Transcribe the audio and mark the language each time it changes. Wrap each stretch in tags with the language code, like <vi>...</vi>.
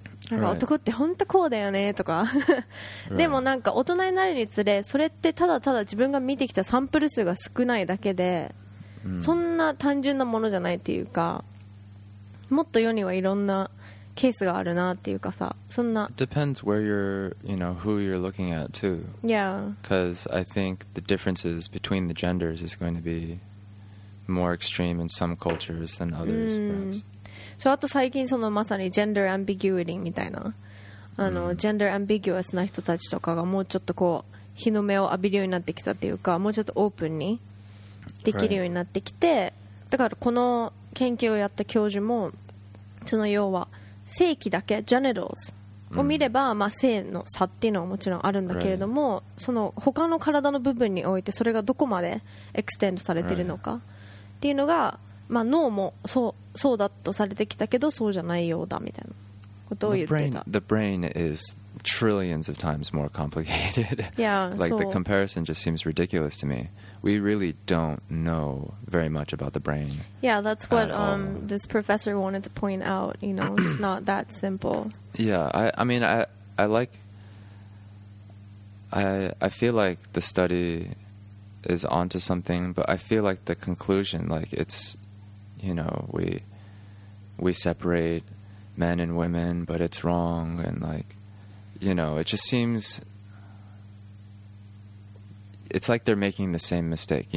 <ja>なんか男って本当こうだよねとか、でもなんか大人になるにつれそれってただただ自分が見てきたサンプル数が少ないだけで、そんな単純なものじゃないっていうか、もっと世にはいろんなケースがあるなっていうかさ、そんな</ja> <en>depends where you're, you know, who you're looking at too. Yeah. Because I think the differences between the genders is going to be more extreme in some cultures than others, perhaps.</en> <ja>そう、あと最近そのまさにジェンダーアンビギュイティみたいな、あの、ジェンダーアンビギュアスな人たちとかがもうちょっとこう日の目を浴びるようになってきたっていうか、もうちょっとオープンにできるようになってきて、だからこの研究をやった教授もその要は性器だけ genitals を見れば、まあ性の差っていうのはもちろんあるんだけれども、その他の体の部分においてそれがどこまでエクステンドされてるのかっていうのが、まあ、脳もそうだとされてきたけど、そうじゃないようだみたいなことを言ってた。</ja> <en>The brain is trillions of times more complicated. Yeah, like the comparison just seems ridiculous to me. We really don't know very much about the brain. Yeah, that's what this professor wanted to point out. You know, it's not that simple. Yeah, I feel like the study is onto something, but I feel like the conclusion, like it's,you know, we separate men and women, but it's wrong, and like, you know, it just seems, it's like they're making the same mistake.</en>